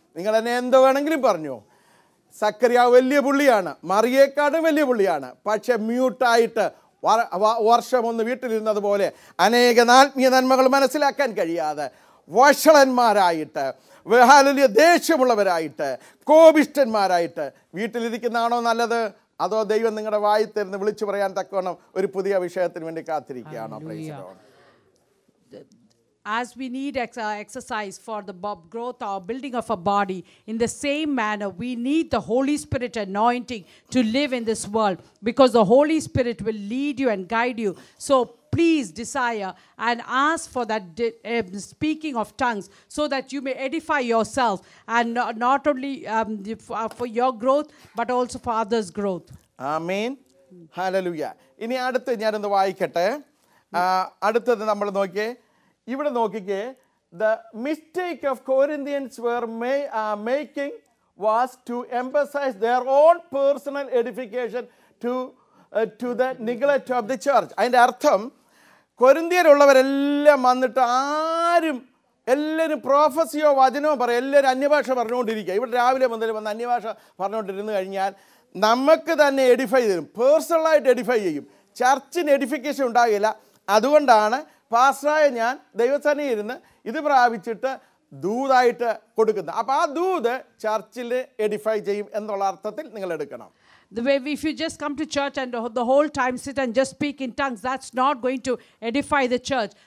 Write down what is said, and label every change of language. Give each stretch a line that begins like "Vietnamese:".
Malayalam: നിങ്ങൾ എന്നെ എന്തോ വേണമെങ്കിലും പറഞ്ഞോ, സക്കറിയാവ് വലിയ പുള്ളിയാണ്, മറിയേക്കാട്ടും വലിയ പുള്ളിയാണ്, പക്ഷെ മ്യൂട്ടായിട്ട് വർഷമൊന്ന് വീട്ടിലിരുന്നത് പോലെ അനേക ആത്മീയ നന്മകൾ മനസ്സിലാക്കാൻ കഴിയാതെ വഷളന്മാരായിട്ട് ബഹാലല്യ ദേഷ്യമുള്ളവരായിട്ട് കോപിഷ്ടന്മാരായിട്ട് വീട്ടിലിരിക്കുന്നതാണോ നല്ലത്? അതോ ദൈവം നിങ്ങളുടെ വായി തരുന്ന വിളിച്ചു പറയാൻ തക്കവണ്ണം ഒരു പുതിയ വിഷയത്തിന് വേണ്ടി കാത്തിരിക്കുകയാണോ?
English: As we need exercise for the growth or building of a body, in the same manner, we need the Holy Spirit anointing to live in this world, because the Holy Spirit will lead you and guide you. So please desire and ask for that speaking of tongues, so that you may edify yourself, and not only for your growth, but also for others' growth.
Malayalam: Amen. Hallelujah. ഇനി അടുത്ത് ഞാൻ ഒന്ന് വായിക്കട്ടെ. അടുത്തത് നമ്മൾ നോക്കി, ഇവിടെ നോക്കിക്കേ,
English: The mistake of Corinthians were making was to emphasize their own personal edification to the neglect of the church.
Malayalam: അതിൻ്റെ അർത്ഥം, കൊരിന്ത്യരുള്ളവരെല്ലാം വന്നിട്ട് ആരും എല്ലാവരും പ്രൊഫസിയോ വചനമോ പറയുക, എല്ലാവരും അന്യഭാഷ പറഞ്ഞുകൊണ്ടിരിക്കുക. ഇവിടെ രാവിലെ മുതൽ വന്ന് അന്യഭാഷ പറഞ്ഞുകൊണ്ടിരുന്നു കഴിഞ്ഞാൽ നമുക്ക് തന്നെ എഡിഫൈ തരും, പേഴ്സണലായിട്ട് എഡിഫൈ ചെയ്യും, ചർച്ചിന് എഡിഫിക്കേഷൻ ഉണ്ടാകില്ല. അതുകൊണ്ടാണ് പാസ്റ്ററായ ഞാൻ ദൈവസേനയിൽ ഇരുന്ന് ഇത് പ്രാപിച്ചിട്ട് ദൂതായിട്ട് കൊടുക്കുന്നത്. അപ്പൊ ആ ദൂത് ചർച്ചിൽ എഡിഫൈ ചെയ്യും എന്നുള്ള അർത്ഥത്തിൽ നിങ്ങൾ എടുക്കണം.
English: The way if you just come to church and the whole time sit and just speak in tongues, that's not going to edify the church.